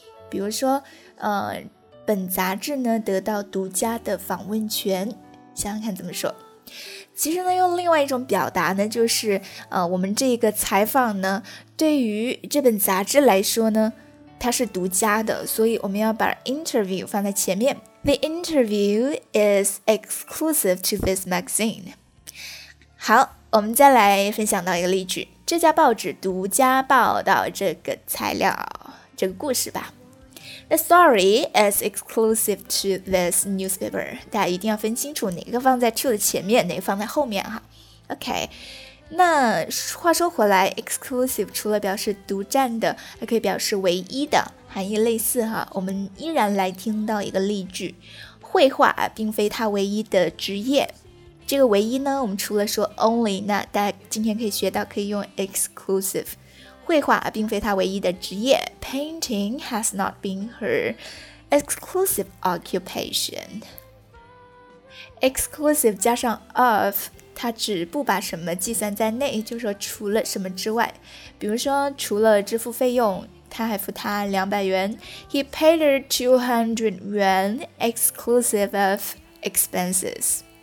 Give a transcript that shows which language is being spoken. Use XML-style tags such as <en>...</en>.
<zh>比如说，本杂志呢得到独家的访问权，想想看怎么说。其实呢，用另外一种表达呢，就是我们这个采访呢，对于这本杂志来说呢，它是独家的，所以我们要把 interview 放在前面。</zh> <en>The interview is exclusive to this magazine.</en> <zh>好，我们再来分享到一个例句，这家报纸独家报道这个材料，这个故事吧。</zh> <en>The story is exclusive to this newspaper.</en> <zh>大家一定要分清楚哪个放在 to 的前面，哪个放在后面哈。 OK, 那话说回来 ,exclusive 除了表示独占的，还可以表示唯一的。含义类似哈，我们依然来听到一个例句，绘画并非他唯一的职业。这个唯一呢，我们除了说 only, 那大家今天可以学到可以用 exclusive。绘画并非他唯一的职业，</zh> <en>painting has not been her exclusive occupation.</en> <zh>Exclusive 加上 of,它只不把什么计算在内，就是说除了什么之外，比如说除了支付费用，他还付他200元，</zh> <en>He paid her 200 yuan exclusive of expenses.</en>